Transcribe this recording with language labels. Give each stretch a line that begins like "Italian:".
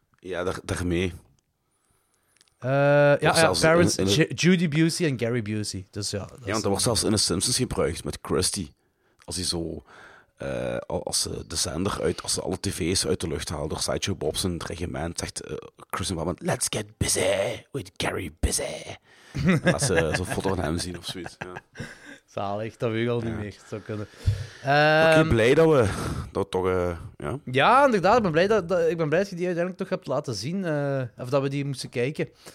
Dutch: Ja, daarmee. Parents, Judy Busey en Gary Busey. Dus ja, dat want dat wordt zelfs in de Simpsons gebruikt met Krusty. Als hij zo... als ze de zender uit... Als ze alle tv's uit de lucht halen door Sideshow Bob's en het regiment, zegt Krusty van...
English: Let's get busy with Gary Busey.
Dutch: En laat ze zo'n foto van hem zien of zoiets. Ja. Zalig, dat weet ik al niet meer. Dat zou kunnen. Okay, blij dat we dat toch... Ja, inderdaad. Ik ben blij dat je die uiteindelijk toch hebt laten zien. Of dat we die moesten kijken.